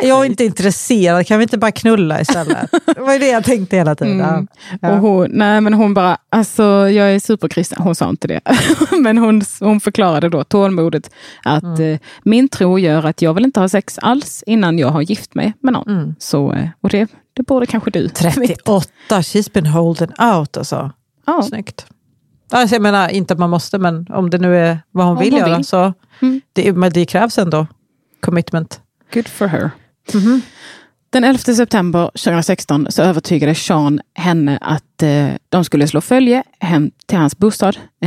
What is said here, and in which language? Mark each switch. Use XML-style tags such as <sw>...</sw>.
<sv>Jag är inte intresserad, kan vi inte bara knulla istället? Det var ju det jag tänkte hela tiden. Mm. Ja. Och hon bara, alltså jag är superkristen. Hon sa inte det. Men hon förklarade då tålmodigt att min tro gör att jag vill inte ha sex alls innan jag har gift mig med någon. Mm. Så, och det borde kanske du.</sv> <en>38, she's been holding out alltså.</en> <sv>Ja. Snyggt. Alltså jag menar, inte att man måste, men om det nu är vad hon vill göra, så det krävs ändå commitment.</sv> <en>Good for her. Mm-hmm.</en> <sv>Den 11 september 2016 så övertygade Sean henne att de skulle slå följe hem till hans bostad.</sv>